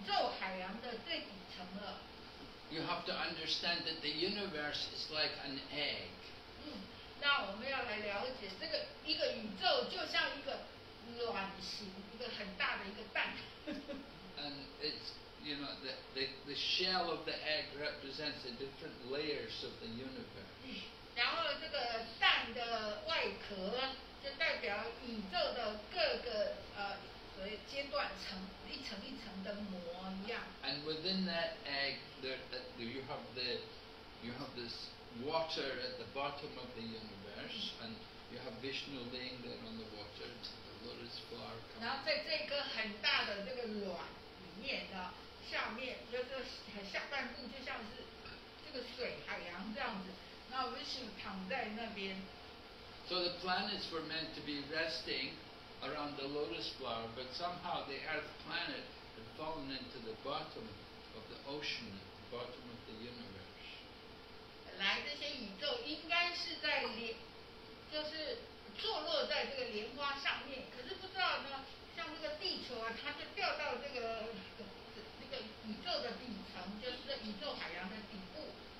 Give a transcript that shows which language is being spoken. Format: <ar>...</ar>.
<zh>所以马努就说，对呀，可是我们要创造生物，必须有个地方可以住，因为在那个时候，这个地球已经掉到这个宇宙海洋的最底层了。</zh> <en>You have to understand that the universe is like an egg.</en> <zh>那我们要来了解这个一个宇宙就像一个卵形，一个很大的一个蛋。</zh> <en>And it's, you know, the shell of the egg represents the different layers of the universe.</en> <zh>然后这个蛋的外壳就代表宇宙的各个阶段层，一层一层的膜一样。</zh> <en>And within that egg, you have this water at the bottom of the universe, and you have Vishnu laying there on the water, the lotus flower coming.</en> <zh>然后在这个很大的这个卵里面的 下面就是下半部就像是这个水海洋这样子，那Vishnu躺在那边。</zh> <en>So the planets were meant to be resting around the lotus flower, but somehow the earth planet had fallen into the bottom of the ocean, the bottom of the universe.</en> <zh>本来这些宇宙应该是在连，就是坐落在这个莲花上面，可是不知道呢，像这个地球啊，它就掉到这个宇宙的底层，就是这宇宙海洋的底部。</zh>